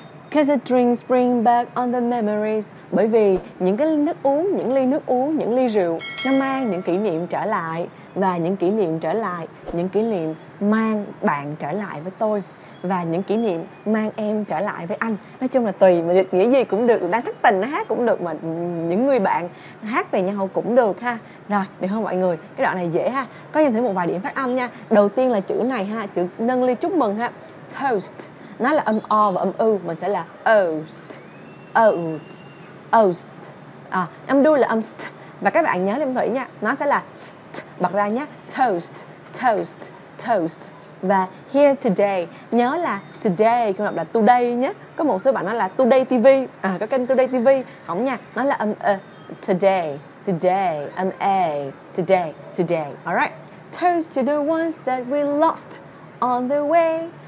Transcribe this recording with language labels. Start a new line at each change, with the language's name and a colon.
English: Cause the drinks bring back on the memories.
Vietnamese: Bởi vì những cái nước uống, những ly nước uống, những ly rượu, nó mang những kỷ niệm trở lại. Và những kỷ niệm trở lại, những kỷ niệm mang bạn trở lại với tôi. Và những kỷ niệm mang em trở lại với anh. Nói chung là tùy, mà dịch nghĩa gì cũng được. Đang thất tình hát cũng được, mà những người bạn hát về nhau cũng được ha. Rồi, được không mọi người? Cái đoạn này dễ ha. Có nhìn thấy một vài điểm phát âm nha. Đầu tiên là chữ này ha, chữ nâng ly chúc mừng ha. Toast. Nó là âm O và âm U, mình sẽ là Oast. Oast. Oast. À, âm đuôi là âm St. Và các bạn nhớ lên Thủy nha, nó sẽ là St bật ra nhé. Toast. Toast. Toast. Và
English: here today,
Vietnamese: nhớ là today, không gặp là today nhé. Có một số bạn nói là today TV, à, có kênh today TV, không nha. Nó là âm today, today, âm A, today, today.
English: Alright, toast to the ones that we lost on the way.